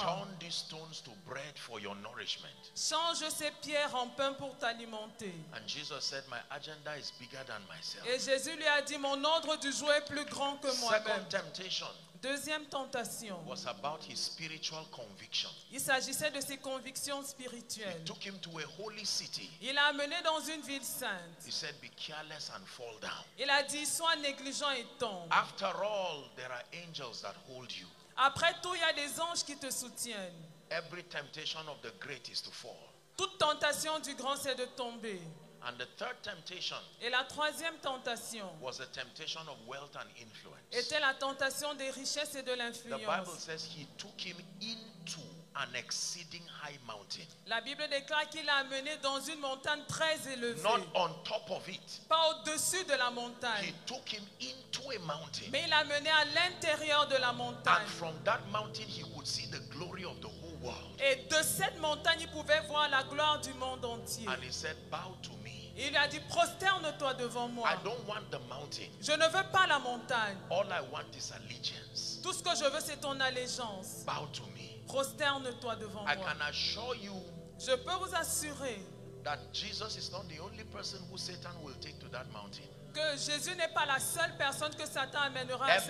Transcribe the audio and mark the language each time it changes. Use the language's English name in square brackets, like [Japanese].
[English] Turn these stones to bread for your nourishment. [French] Change ces pierres en pain pour t'alimenter. [English] And Jesus said, my agenda is bigger than myself. [French] Et Jésus lui a dit, mon ordre du jour est plus grand que moi-même. [English] Second temptation. [French] Deuxième tentation. [English] Was about his spiritual conviction. [French] Il s'agissait de ses convictions spirituelles. [English] He took him to a holy city. [French] Il l'a amené dans une ville sainte. [English] He said, be careless and fall down. [French] Il a dit, sois négligent et tombe. [English] After all, there are angels that hold you. [French] Après tout, il y a des anges qui te soutiennent. [English] Every temptation of the great is to fall. [French] Toute tentation du grand, c'est de tomber. [English] And the third temptation, [French] et la troisième tentation, [English] was the temptation of wealth and influence. [French] Était la tentation des richesses et de l'influence. [English] The Bible says he took him into an exceeding high mountain. [French] La Bible déclare qu'il l'a amené dans une montagne très élevée. [English] Not on top of it. [French] Pas au-dessus de la montagne. [English] He took him into a mountain. [French] Mais il l'a amené à l'intérieur de la montagne. [English] And from that mountain he would see the glory of the whole. [French] Et de cette montagne, il pouvait voir la gloire du monde entier. [English] And he said, bow to me. [French] Il lui a dit, prosterne-toi devant moi. [English] I don't want the mountain. [French] Je ne veux pas la montagne. [English] All I want is allegiance. [French] Tout ce que je veux, c'est ton allégeance. [English] Bow to me. [French] Prosterne-toi devant [English] I [French] moi. [English] Can assure you, [French] je peux vous assurer [English] that Jesus is not the only person who Satan will take to that mountain. [French] Que Jésus n'est pas la seule personne que Satan amènera